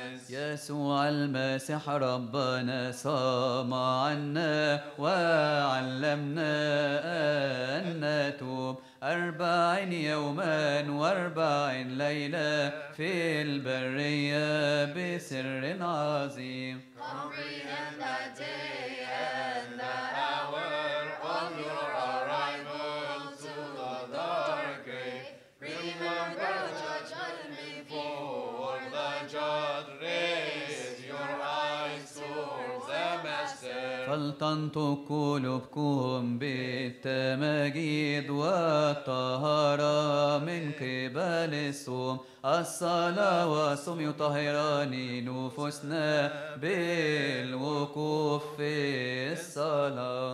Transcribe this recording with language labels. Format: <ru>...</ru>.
<ar>يسوع المسيح ربنا صام عنا وعلمنا أن نتوب أربعين يوما وأربعين ليلة في البرية بسر عظيم</ar> <en>Comprehend the day and the hour of your arrival to the dark grave Remember the judgment before the judge</en> <ar>فلتنطق قلوبكم بالتماجيد والطهارة من قبل الصوم الصلاة والصوم يطهران نفوسنا بالوقوف في الصلاة</ar>